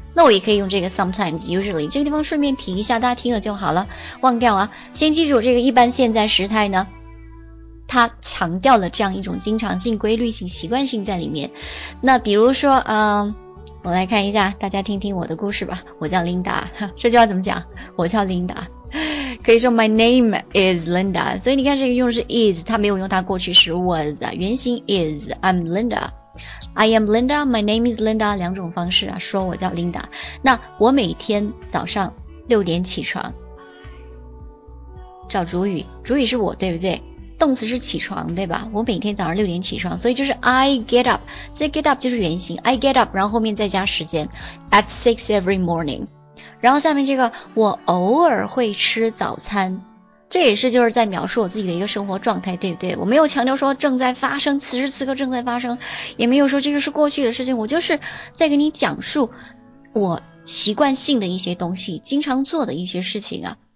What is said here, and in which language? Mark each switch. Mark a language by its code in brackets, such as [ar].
[zh] 那我也可以用这个 [en] sometimes usually， [zh] 这个地方顺便提一下，大家听了就好了，忘掉啊，先记住这个一般现在时态呢，它强调了这样一种经常性、规律性、习惯性在里面。那比如说我来看一下，大家听听我的故事吧。我叫 Linda， 这句话怎么讲？我叫 Linda， 可以说 [en] My name is Linda。 [zh] 所以你看这个用的是 is， 它没有用它过去时 was， 原型 is。 [en] I'm Linda， I am Linda， My name is Linda， [zh] 两种方式啊，说我叫 [en] Linda。 [zh] 那我每天早上6点起床，找主语，主语是我，对不对？动词是起床，对吧？我每天早上6点起床，所以就是 [en] I get up， [zh] 这 get up 就是原型 I get up， 然后后面再加时间 [en] at 6 every morning， [zh] 然后下面这个我偶尔会吃早餐，这也是就是在描述我自己的一个生活状态，对不对？我没有强调说正在发生，此时此刻正在发生，也没有说这个是过去的事情，我就是在给你讲述我习惯性的一些东西，经常做的一些事情啊。